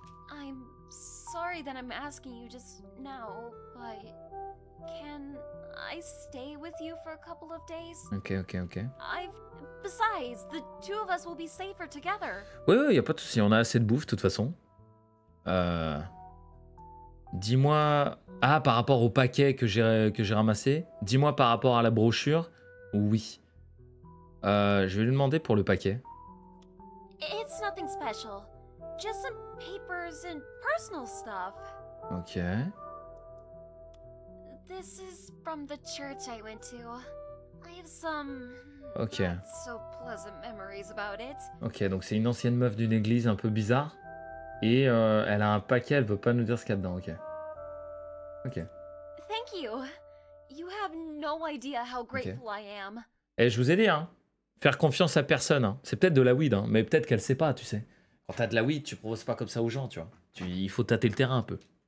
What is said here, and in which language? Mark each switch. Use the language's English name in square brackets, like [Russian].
[English] I'm sorry that I'm asking you just now, but can I stay with you for a couple of days? Okay, okay, okay. Besides, the two of us will be safer together. [French] Ouais, ouais, y a pas de souci. On a assez de bouffe de toute façon. Dis-moi, ah, par rapport au paquet que j'ai ramassé, dis-moi par rapport à la brochure, oui. Je vais lui demander pour le paquet. [English] It's nothing special, just some papers and personal stuff. Ok. This is from the church I went to. I have some... Ok. Not so pleasant memories about it. [French] Ok, donc c'est une ancienne meuf d'une église un peu bizarre. Et elle a un paquet, elle veut pas nous dire ce qu'il y a dedans, ok. Ok. [English] Thank you. You have no idea how grateful I am. [French] Eh, je vous ai dit, hein. Faire confiance à personne, hein. C'est peut-être de la weed, hein. Mais peut-être qu'elle sait pas, tu sais. Quand t'as de la weed, tu proposes pas comme ça aux gens, tu vois. Il faut tâter le terrain un peu.